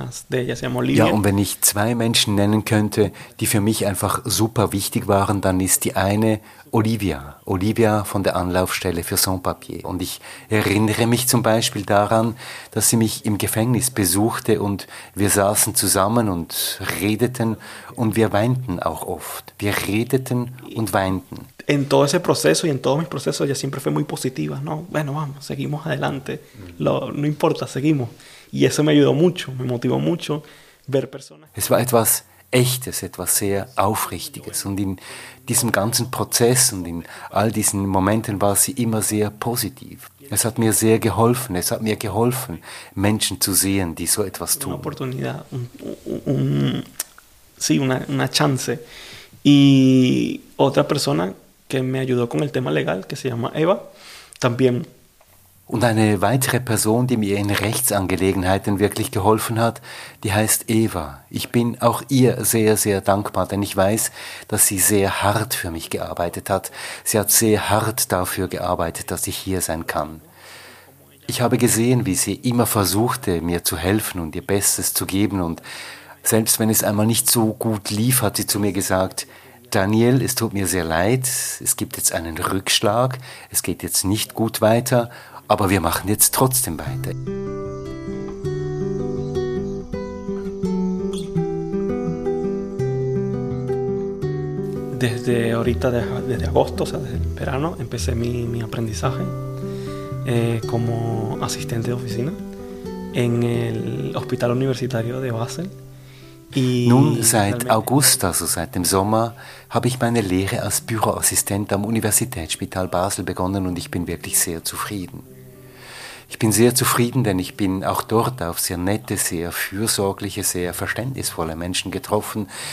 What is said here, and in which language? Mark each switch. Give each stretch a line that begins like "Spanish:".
German: Ja, und wenn ich zwei Menschen nennen könnte, die für mich einfach super wichtig waren, dann ist die eine Olivia. Olivia von der Anlaufstelle für Sans-Papier. Und ich erinnere mich zum Beispiel daran, dass sie mich im Gefängnis besuchte und wir saßen zusammen und redeten und wir weinten auch oft. Wir redeten und weinten.
Spanish: En todo ese proceso y en todos mis procesos ella siempre fue muy positiva, ¿no? Bueno, vamos, seguimos adelante, no importa, seguimos. Y eso me ayudó mucho, me motivó mucho ver personas.
German: Es war etwas Echtes, etwas sehr Aufrichtiges. Und in diesem ganzen Prozess und in all diesen Momenten war sie immer sehr positiv. Es hat mir sehr geholfen, es hat mir geholfen, Menschen zu sehen, die so etwas tun.
Spanish: Una oportunidad, una chance. Y otra persona que me ayudó con el tema legal, que se llama Eva, también.
German: Und eine weitere Person, die mir in Rechtsangelegenheiten wirklich geholfen hat, die heißt Eva. Ich bin auch ihr sehr, sehr dankbar, denn ich weiß, dass sie sehr hart für mich gearbeitet hat. Sie hat sehr hart dafür gearbeitet, dass ich hier sein kann. Ich habe gesehen, wie sie immer versuchte, mir zu helfen und ihr Bestes zu geben, und selbst wenn es einmal nicht so gut lief, hat sie zu mir gesagt, Daniel, es tut mir sehr leid, es gibt jetzt einen Rückschlag, es geht jetzt nicht gut weiter, aber wir machen jetzt trotzdem weiter.
Spanish: desde ahorita, desde agosto, o sea, desde el verano, empecé mi aprendizaje como asistente de oficina en el hospital universitario de Basel.
German: Nun, seit August, also seit dem Sommer, habe ich meine Lehre als Büroassistent am Universitätsspital Basel begonnen und ich bin wirklich sehr zufrieden. Ich bin sehr zufrieden, denn ich bin auch dort auf sehr nette, sehr fürsorgliche, sehr verständnisvolle Menschen getroffen.